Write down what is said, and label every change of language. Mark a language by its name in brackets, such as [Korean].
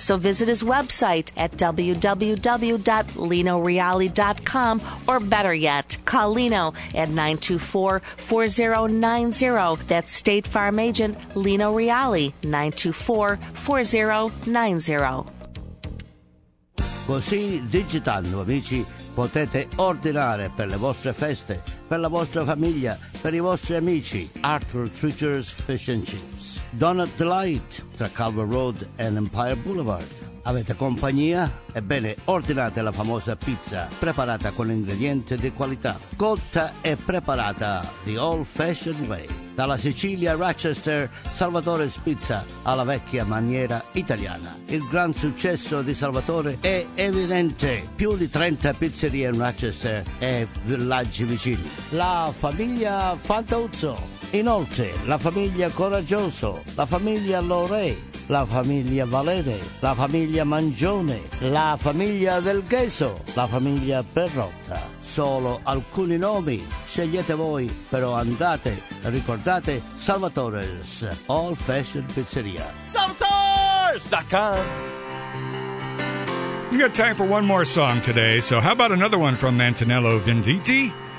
[English] So visit his website at www.linorialli.com or better yet, call Lino at 924-4090. That's State Farm agent Lino Rialli, 924-4090. [Italian] Così digitando, amici, potete ordinare per le vostre feste, per la vostra famiglia, per i vostri amici. Arthur Treacher's Fish and Chips. Donut Delight tra Calver Road e Empire Boulevard. Avete compagnia? Ebbene, ordinate la famosa pizza preparata con ingredienti di qualità, cotta e preparata [English] the old fashioned way. [Italian] Dalla Sicilia a Rochester, Salvatore's Pizza alla vecchia maniera italiana. Il gran successo di Salvatore è evidente. Più di 30 pizzerie in Rochester e villaggi vicini. La famiglia Fantauzzo. Inoltre, la famiglia Coraggioso, la famiglia Lorei, la famiglia Valere, la famiglia Mangione, la famiglia Del Gheso, la famiglia Perrotta. Solo alcuni nomi, scegliete voi, però andate, ricordate, Salvatore's Old Fashioned Pizzeria. Salvatore's.com. [English] We got time for one more song today, so how about another one from Antonello Venditti?